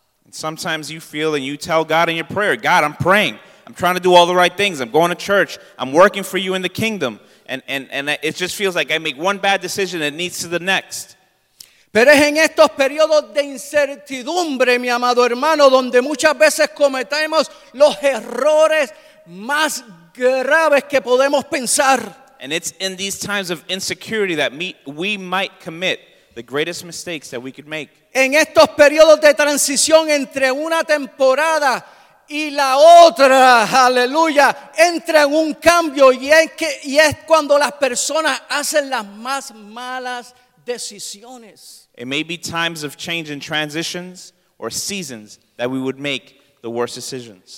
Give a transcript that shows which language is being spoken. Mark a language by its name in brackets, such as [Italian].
[English] Sometimes you feel and you tell God in your prayer, God, I'm praying, I'm trying to do all the right things, I'm going to church, I'm working for you in the kingdom. And it just feels like I make one bad decision and it leads to the next. [Spanish] Pero es en estos periodos de incertidumbre, mi amado hermano, donde muchas veces cometemos los errores más graves que podemos pensar. [English] And it's in these times of insecurity that we might commit the greatest mistakes that we could make. [Spanish] En estos periodos de transición entre una temporada y la otra, aleluya, entra en un cambio y es cuando las personas hacen las más malas decisiones. [English] It may be times of change and transitions or seasons that we would make the worst decisions.